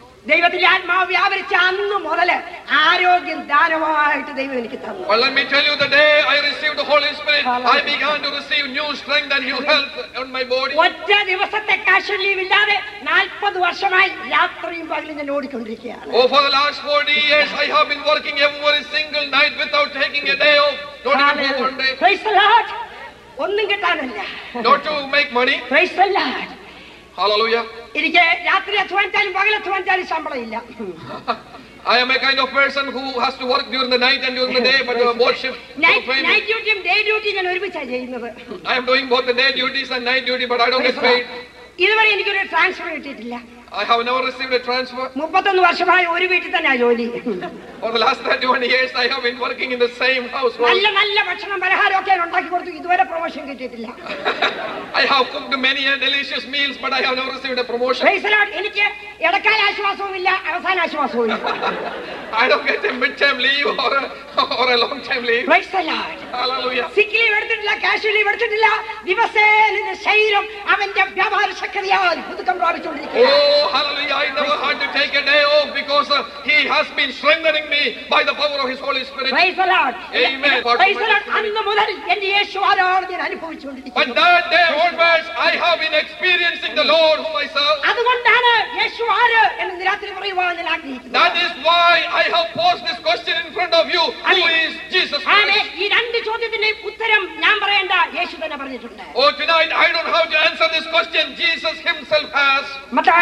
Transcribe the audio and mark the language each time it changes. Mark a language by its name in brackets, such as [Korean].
[Malayalam] ദൈവത്തിന്റെ ആത്മാവ് വ്യാപരിച്ച അന്ന് മുതല് ആരോഗ്യം ദാനമായിട്ട് ദൈവം എനിക്ക് തന്നു. [English] Well, let me tell you, the day I received the Holy Spirit, I began to receive new strength and new health on my body. [Malayalam] ഒറ്റ ദിവസത്തെ കാഷ്വൽ ലീവ് ഇല്ലാതെ 40 വർഷമായി രാത്രിയും പകലും ഞാൻ ഓടിക്കൊണ്ടിരിക്കുകയാണ്. [English] Oh, for the last 40 years I have been working every single night without taking a day off. Not even one day. Praise the Lord. [Malayalam] ഒന്നും കിട്ടാനല്ല. [English] Not to make money. Praise the Lord. Hallelujah. [Malayalam] എനിക്ക് രാത്രി അധ്വാനിച്ചാലും പകൽ അധ്വാനിച്ചാലും ശമ്പളം ഇല്ല. [English] I am a kind of person who has to work during the night and during the day but both shift. Night duty and day duty [Malayalam] ഞാൻ ഒരുമിച്ച് ചെയ്യുന്നത്. [English] I am doing both the day duties and night duty but I don't get paid. [Malayalam] ഇതുവരെ എനിക്ക് ഒരു transfer കിട്ടിയിട്ടില്ല. [English] I have never received a transfer. [Malayalam] 31 വർഷമായി ഒരു വീട്ടിൽ തന്നെ ജോലി. [English] For the last 31 years I have been working in the same household. [Malayalam] നല്ല നല്ല ഭക്ഷണം പലഹാരം ഒക്കെ ഉണ്ടാക്കി കൊടുത്തു, ഇതുവരെ പ്രൊമോഷൻ കിട്ടിയിട്ടില്ല. [English] I have cooked many delicious meals but I have never received a promotion. Praise the Lord. [Malayalam] എനിക്ക് ഇടക്കാല ആശ്വാസവുമില്ല, അവസാന ആശ്വാസവുമില്ല. [English] I don't get a mid-term leave or a long-term leave. Praise the Lord. Hallelujah. [Malayalam] സിക്ക് leave എടുത്തിട്ടില്ല, casual leave എടുത്തിട്ടില്ല. ദിവസേന എന്റെ ശരീരം അവന്റെ വ്യാപാര ശക്തിയാൽ പുതുക്കം പ്രാപിച്ചുകൊണ്ടിരിക്കുകയാണ്. [English] Hallelujah. I never had to take a day off because he has been strengthening me by the power of his Holy Spirit. Praise the Lord. Amen. Praise the Lord. [Malayalam] അന്ന് മുതൽ എന്റെ യേശു ആരാധന അനുഭവിച്ചുകൊണ്ടിരിക്കുന്നു. [English] From that day onwards I have been experiencing the Lord whom I serve. [Malayalam] അതുകൊണ്ടാണ് യേശു ആര് എന്ന് നിരാത്രി പറയുവാൻ ഞാൻ ആഗ്രഹിക്കുന്നത്. [English] That is why I have posed this question in front of you. Who is Jesus Christ? [Malayalam] അന്ന് ഈ ചോദ്യത്തിന്റെ ഉത്തരം ഞാൻ പറയണ്ട, യേശു തന്നെ പറഞ്ഞിട്ടുണ്ട്. [English] Oh, tonight I don't have to answer this question. Jesus himself itself has.